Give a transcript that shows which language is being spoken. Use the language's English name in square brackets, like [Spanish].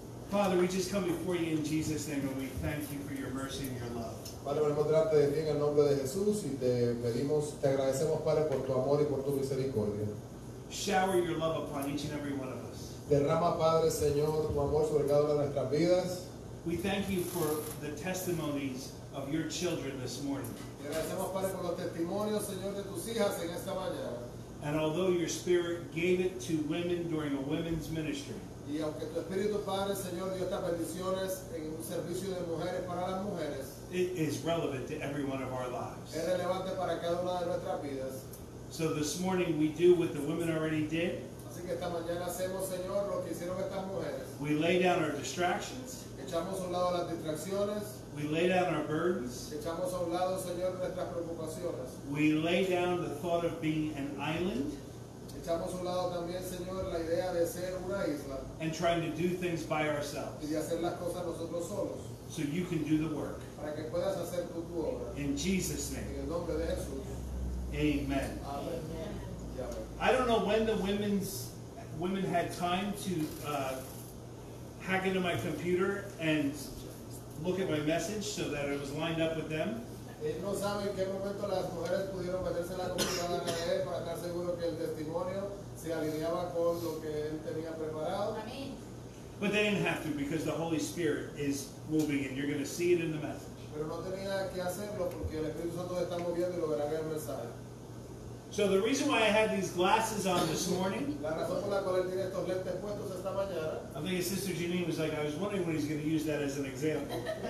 [English] Father, we just come before you in Jesus' name, and we thank you for your mercy and your love. [Spanish] Padre, venimos delante de ti en el nombre de Jesús y te pedimos, te agradecemos, Padre, por tu amor y por tu misericordia. [English] Shower your love upon each and every one of us. [Spanish] Derrama, Padre, Señor, tu amor sobre cada una de nuestras vidas. [English] We thank you for the testimonies of your children this morning. [Spanish] Te agradecemos, Padre, por los testimonios, Señor, de tus hijas en esta mañana. [English] And although your Spirit gave it to women during a women's ministry, [Spanish] y aunque tu Espíritu, Padre, Señor, dio estas bendiciones en un servicio de mujeres para las mujeres, [English] it is relevant to every one of our lives. [Spanish] Es relevante para cada una de nuestras vidas. [English] So this morning we do what the women already did. [Spanish] Así que esta mañana hacemos, Señor, lo que hicieron estas mujeres. [English] We lay down our distractions. [Spanish] Echamos a un lado las distracciones. [English] We lay down our burdens. [Spanish] Echamos a un lado, Señor, nuestras preocupaciones. [English] We lay down the thought of being an island. [Spanish] Echamos a un lado también, Señor, la idea de ser una isla. [English] And trying to do things by ourselves. [Spanish] Y de hacer las cosas nosotros solos. [English] So you can do the work. [Spanish] Para que puedas hacer tu obra. [English] In Jesus' name. [Spanish] En el nombre de Jesús. [English] Amen. [Spanish] Amen. [English] I don't know when the women had time to hack into my computer and look at my message so that it was lined up with them. [Spanish] No saben en qué momento las mujeres pudieron meterse en la computadora de él para estar seguro que el testimonio se alineaba con lo que él tenía preparado. [English] But they didn't have to because the Holy Spirit is moving and you're going to see it in the message. [Spanish] Pero no tenía que hacerlo porque el Espíritu Santo está moviendo y lo verán en el mensaje. [English] So the reason why I had these glasses on this morning, [Spanish] la razón por la cual él tiene estos lentes puestos esta mañana, [English] I think his sister Jeanine was like, I was wondering when he's going to use that as an example.